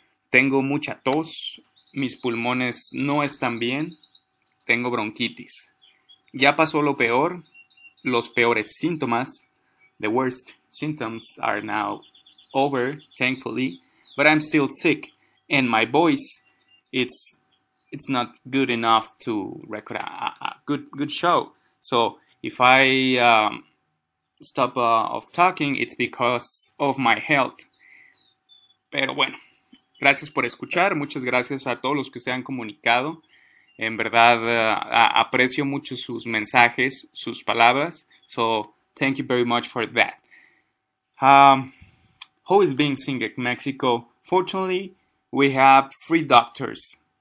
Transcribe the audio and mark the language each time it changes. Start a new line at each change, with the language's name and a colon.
Spanish: Tengo mucha tos, mis pulmones no están bien, tengo bronquitis. Ya pasó lo peor, los peores síntomas,
English: the worst symptoms are now over, thankfully, but I'm still sick, and my voice, it's not good enough to record a good show. So if I stop off talking, it's because of my health.
Spanish: Pero bueno, gracias por escuchar. Muchas gracias a todos los que se han comunicado. En verdad, aprecio mucho sus mensajes, sus palabras.
English: So thank you very much for that. Who is being sick in Mexico? Fortunately, we have free doctors.